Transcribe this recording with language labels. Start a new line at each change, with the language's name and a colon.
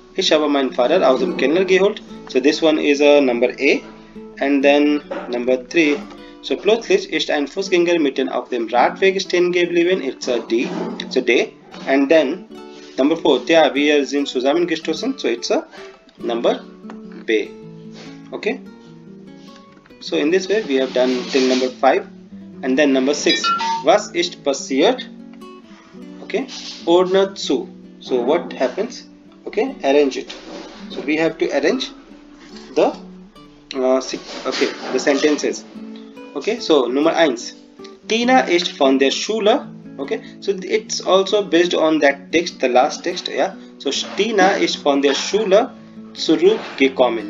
German: Ich habe meinen Vater aus dem Keller geholt.
English: So this one is a number A, and then number 3.
German: So plötzlich ist ein Fußgänger mitten auf dem Radweg stehen geblieben.
English: It's a D. It's a day. And then number 4.
German: Tja, wir sind zusammengestoßen.
English: So it's a number B. Okay. So in this way we have done till number 5, and then number 6.
German: Was ist passiert? Okay. Ordner zu.
English: So what happens? Okay, arrange it. So we have to arrange the the sentences. Okay, so number 1,
German: Tina ist von der Schule.
English: Okay, so it's also based on that text, the last text.
German: Yeah, so Tina ist von der Schule zurückgekommen.